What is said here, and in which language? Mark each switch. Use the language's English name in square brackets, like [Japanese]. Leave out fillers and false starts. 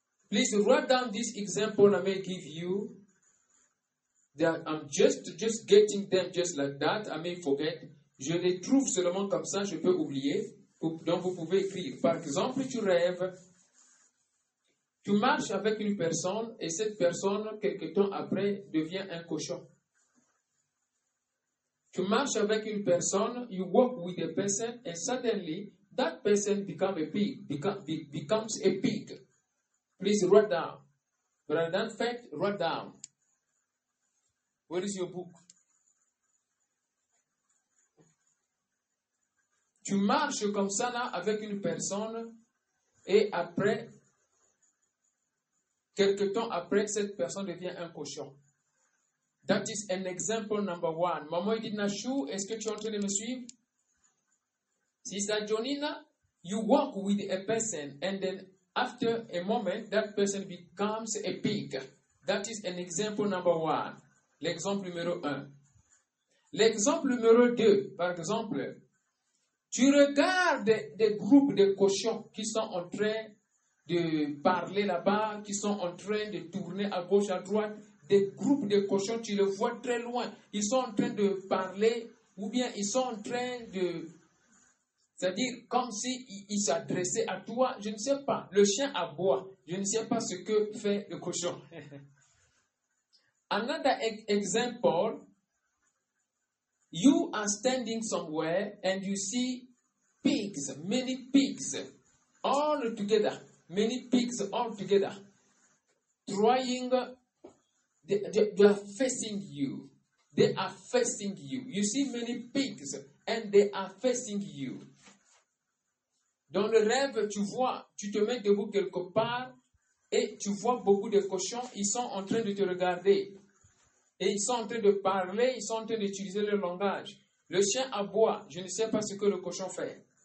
[English] Please write down this example I may give you. That I'm just getting them just like that. I may forget. [French] Je les trouve seulement comme ça, je peux oublier. Donc vous pouvez écrire. Par exemple, tu rêves. Tu marches avec une personne et cette personne, quelque temps après, devient un cochon. Tu marches avec une personne, [English] you walk with a person and suddenly that person becomes a pig. Please write down. Write down fact, write down. Where is your book? [French] Tu marches comme ça là avec une personne et après, quelque temps après, cette personne devient un cochon. [English] That is an example number one. [French] Maman Edina Chou, est-ce que tu es en train de me suivre? [English] Sister Jonina, you walk with a person and then after a moment, that person becomes a pig. That is an example number one. [French] L'exemple numéro un. L'exemple numéro deux, par exemple, tu regardes des groupes de cochons qui sont en train de parler là-bas, qui sont en train de tourner à gauche, à droite. Des groupes de cochons, tu les vois très loin. Ils sont en train de parler ou bien ils sont en train de C'est-à-dire, comme s'il s'adressait à toi, je ne sais pas, le chien aboie, je ne sais pas ce que fait le cochon. [English] Another example, you are standing somewhere and you see pigs, many pigs, all together, many pigs all together, trying, they are facing you. They are facing you. You see many pigs and they are facing you. [French] Dans le rêve, tu vois, tu te mets debout quelque part et tu vois beaucoup de cochons, ils sont en train de te regarder. Et ils sont en train de parler, ils sont en train d'utiliser le langage. Le chien aboie, je ne sais pas ce que le cochon fait.